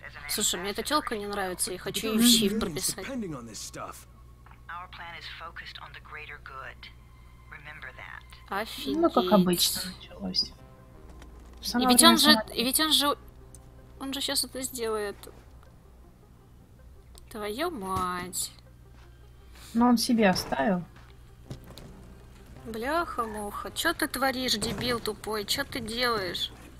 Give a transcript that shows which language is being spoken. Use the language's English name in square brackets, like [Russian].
[Russian] Слушай, мне эта тёлка не нравится, я хочу её в щит прописать. [English] Our plan is focused on the greater good. Remember that. [Russian] Офигеть. Ну, как обычно началось. И ведь он же, и ведь он же сейчас это сделает. Твою мать. Но он себе оставил. Бляха-муха, чё ты творишь, дебил тупой, чё ты делаешь?